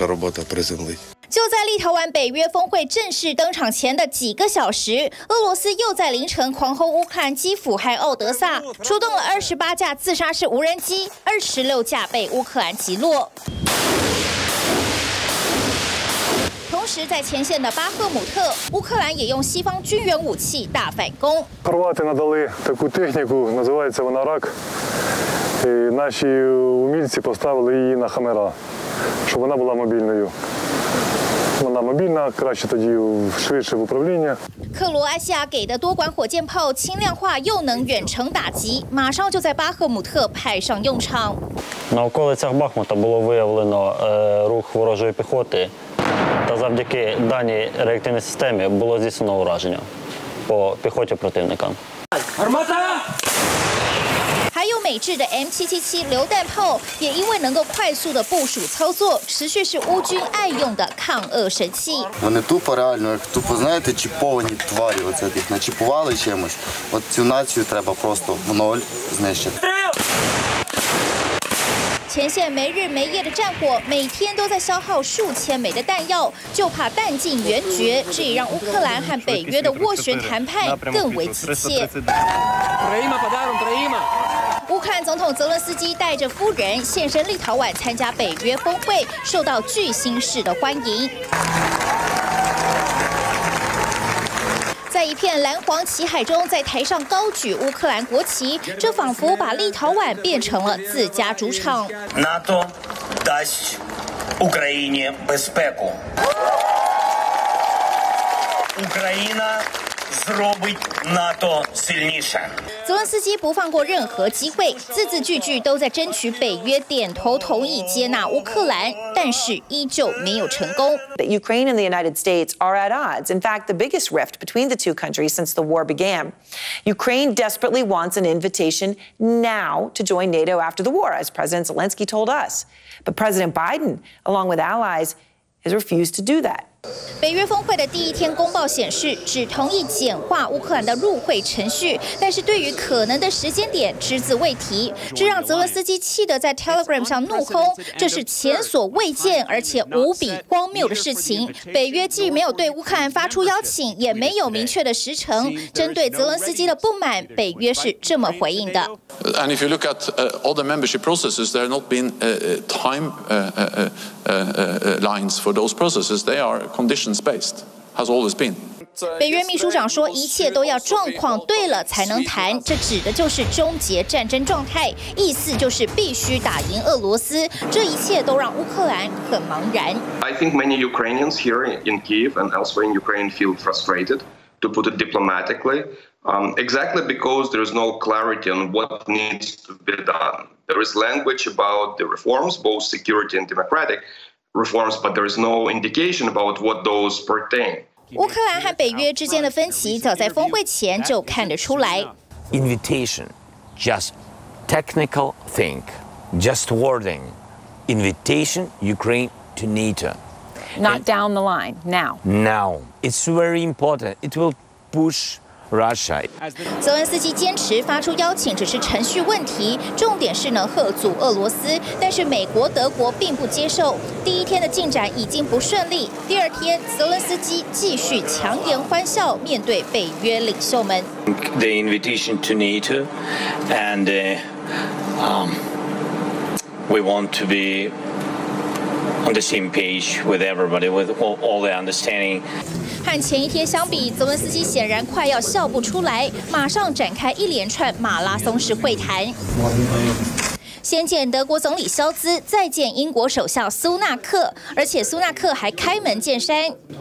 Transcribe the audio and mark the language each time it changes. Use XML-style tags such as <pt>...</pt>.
<zh>就在立陶宛北约峰会正式登场前的几个小时，俄罗斯又在凌晨狂轰乌克兰基辅和奥德萨，出动了28架自杀式无人机，26架被乌克兰击落。同时，在前线的巴赫姆特，乌克兰也用西方军援武器大反攻。</zh> <uk>Хорвати надали таку техніку, називається вона РАК. Наші умільці поставили її на хамера, щоб вона була мобільною. Вона мобільна, краще тоді швидше в управління.</uk> <zh>克罗埃西亚给的多管火箭炮轻量化又能远程打击，马上就在巴赫姆特派上用场。</zh> <uk>На околицях Бахмута було виявлено рух ворожої піхоти. Та завдяки даній реактивній системі було здійснено ураження по піхоті противника. Гармата!</uk> <zh>还有美制的 M777 榴弹炮，也因为能够快速的部署操作，持续是乌军爱用的抗俄神器。</zh> <uk>Вони тупо реально, як тупо знаєте, чіповані тварі оце тих начіпували чимось. От цю націю треба просто в ноль знищити.</uk> <zh>前线没日没夜的战火，每天都在消耗数千枚的弹药，就怕弹尽援绝。这也让乌克兰和北约的斡旋谈判更为急切。乌克兰总统泽伦斯基带着夫人现身立陶宛参加北约峰会，受到巨星式的欢迎。在一片蓝黄旗海中，在台上高举乌克兰国旗，这仿佛把立陶宛变成了自家主场。</zh> <uk>НАТО дасть Україні безпеку. Україна зробить НАТО сильніше.</uk> <zh>泽伦斯基不放过任何机会，字字句句都在争取北约点头同意接纳乌克兰，但是依旧没有成功。</zh> <en>The Ukraine and the United States are at odds. In fact, the biggest rift between the two countries since the war began. Ukraine desperately wants an invitation now to join NATO after the war, as President Zelensky told us. But President Biden, along with allies, has refused to do that.</en> <zh>北约峰会的第一天公报显示，只同意简化乌克兰的入会程序，但是对于可能的时间点只字未提，这让泽伦斯基气得在 Telegram 上怒轰，这是前所未见而且无比荒谬的事情。北约既没有对乌克兰发出邀请，也没有明确的时程。针对泽伦斯基的不满，北约是这么回应的。</zh> <en>And if you look at all the membership processes, there have not been time lines for those processes. They are conditions based, has always been.</en> <zh>北约秘书长说，一切都要状况对了才能谈，这指的就是终结战争状态，意思就是必须打赢俄罗斯。这一切都让乌克兰很茫然。</zh> <en>I think many Ukrainians here in Kyiv and elsewhere in Ukraine feel frustrated, to put it diplomatically, exactly because there is no clarity on what needs to be done. There is language about the reforms, both security and democratic. Reforms, but there is no indication about what those pertain.</en> <zh>乌克兰和北约之间的分歧早在峰会前就看得出来。</zh> <en>Invitation, just technical thing, just wording. Invitation, Ukraine to NATO. Not down the line, now. Now, it's very important. It will push. Russia.</en> <zh>泽连斯基坚持发出邀请只是程序问题，重点是能吓阻俄罗斯。但是美国、德国并不接受。第一天的进展已经不顺利，第二天泽连斯基继续强颜欢笑，面对北约领袖们。</zh> <en>The invitation to NATO, and we want to be. On the same page with everybody, with all the understanding.</en> <zh>和前一天相比，泽连斯基显然快要笑不出来，马上展开一连串马拉松式会谈。先见德国总理肖兹，再见英国首相苏纳克，而且苏纳克还开门见山。</zh>